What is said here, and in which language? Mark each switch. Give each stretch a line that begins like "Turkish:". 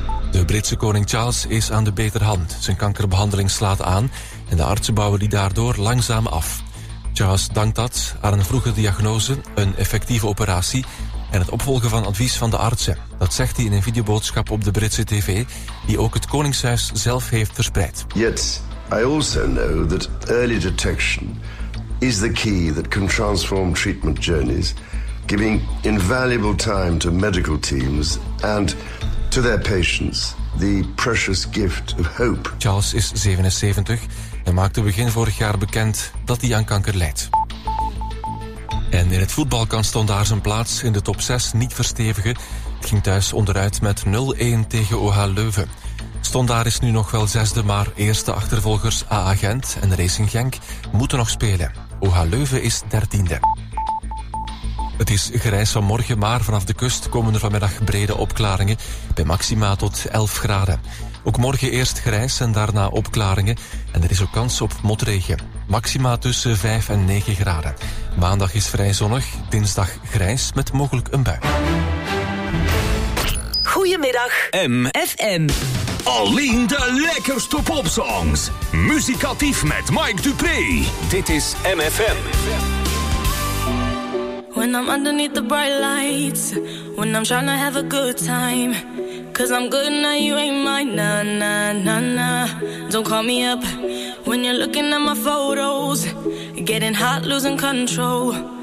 Dutch: De Britse koning Charles is aan de beterhand. Zijn kankerbehandeling slaat aan en de artsen bouwen die daardoor langzaam af. Charles dankt dat aan een vroege diagnose, een effectieve operatie en het opvolgen van advies van de artsen. Dat zegt hij in een videoboodschap op de Britse tv, die ook het koningshuis zelf heeft verspreid.
English: Yet, I also know that early detection is the key that can transform treatment journeys, giving invaluable time to medical teams and to their patients, the precious gift of hope.
Dutch: Charles is 77 en maakte begin vorig jaar bekend dat hij aan kanker leidt. En in het voetbalkamp stond daar zijn plaats in de top 6 niet verstevigen. Het ging thuis onderuit met 0-1 tegen OH Leuven. Standaard is nu nog wel 6e, maar eerste achtervolgers AA Gent en Racing Genk moeten nog spelen. OH Leuven is 13e. Het is grijs vanmorgen, maar vanaf de kust komen er vanmiddag brede opklaringen bij maxima tot 11 graden. Ook morgen eerst grijs en daarna opklaringen en er is ook kans op motregen. Maxima tussen 5 en 9 graden. Maandag is vrij zonnig, dinsdag grijs met mogelijk een bui. Goedemiddag. MFM. Alleen de lekkerste popsongs. Muzikatief met Mike Dupré. Dit is MFM.
English: When I'm underneath the bright lights, when I'm trying to have a good time, 'cause I'm good now, you ain't mine, nah, nah, nah, nah. Don't call me up when you're looking at my photos, getting hot, losing control.